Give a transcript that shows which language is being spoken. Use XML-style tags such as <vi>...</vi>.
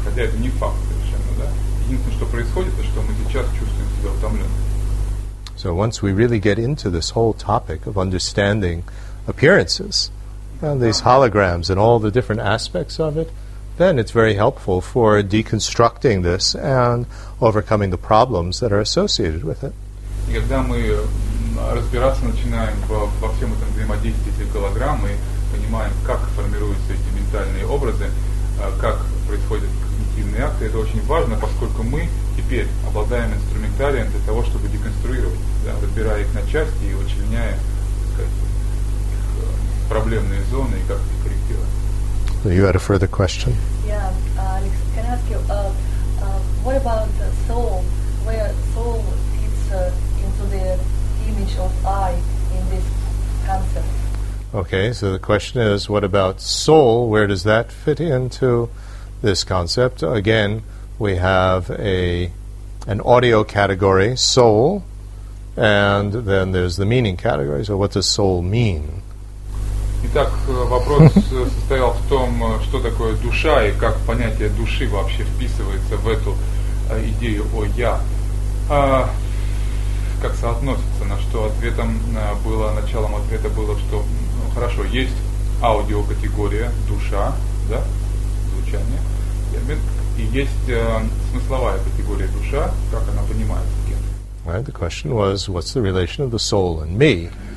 <ru>Хотя это не факт совершенно, да? Единственное, что происходит, это что мы сейчас чувствуем себя утомленным.</ru> <en>So once we really get into this whole topic of understanding appearances, and these holograms and all the different aspects of it, then it's very helpful for deconstructing this and overcoming the problems that are associated with it.</en> <ru>И когда мы разбираться начинаем во всем этом взаимодействии этих голограмм, мы понимаем, как формируются эти ментальные образы, как происходят когнитивные акты, это очень важно, поскольку мы теперь обладаем инструментарием для того, чтобы деконструировать, да, разбирая их на части и вычленяя, так сказать, проблемные зоны и как их корректировать.</ru> <en>You had a further question? Yeah, Alex, can I ask you, what about the soul, where soul fits into the image of I in this concept? Okay, so the question is, what about soul? Where does that fit into this concept? Again, we have an audio category, soul, and then there's the meaning category. So what does soul mean?</en> <ru>Итак, вопрос состоял в том, что такое душа и как понятие души вообще вписывается в эту идею о я. Как соотносится, на что ответом было, началом ответа было, что, ну, хорошо, есть аудиокатегория, душа, да, звучание, термин, и есть смысловая категория душа, как она понимается кем-то.</ru> <en>Right? The question was, what's the relation of the soul and me?</en>